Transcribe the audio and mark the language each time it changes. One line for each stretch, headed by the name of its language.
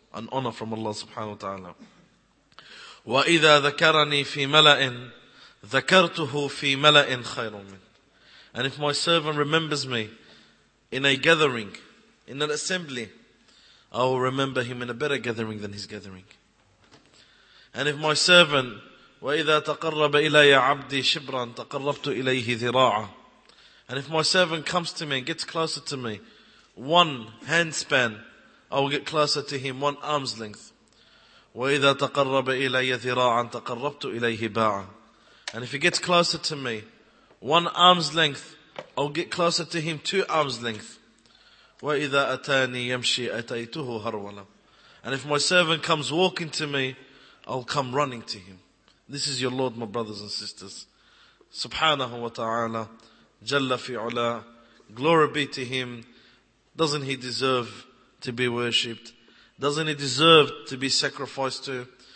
English: An honor from Allah subhanahu wa ta'ala.
Arabic: وَإِذَا ذَكَرَنِي فِي مَلَئٍ ذَكَرْتُهُ فِي مَلَئٍ خَيْرٌ مِنْ.
English: And if my servant remembers me in a gathering, in an assembly, I will remember him in a better gathering than his gathering. And if my servant,
Arabic: وَإِذَا تَقَرَّبَ إِلَيَ عَبْدِي شِبْرًا تَقَرَّبْتُ إِلَيْهِ ذِرَاعًا.
English: And if my servant comes to me and gets closer to me, one hand span, I will get closer to him, one arm's length.
Arabic: وَإِذَا تَقَرَّبَ إِلَيَ ذِرَاعًا تَقَرَّبْتُ إِلَيْهِ بَاعًا.
English: And if he gets closer to me, one arm's length, I will get closer to him, two arm's length.
Arabic: وَإِذَا أَتَانِي يَمْشِي أَتَيْتُهُ هَرْوَلًا.
English: And if my servant comes walking to me, I'll come running to him. This is your Lord, my brothers and sisters. Subhanahu wa ta'ala, Jalla fi ula, glory be to him. Doesn't he deserve to be worshipped? Doesn't he deserve to be sacrificed to?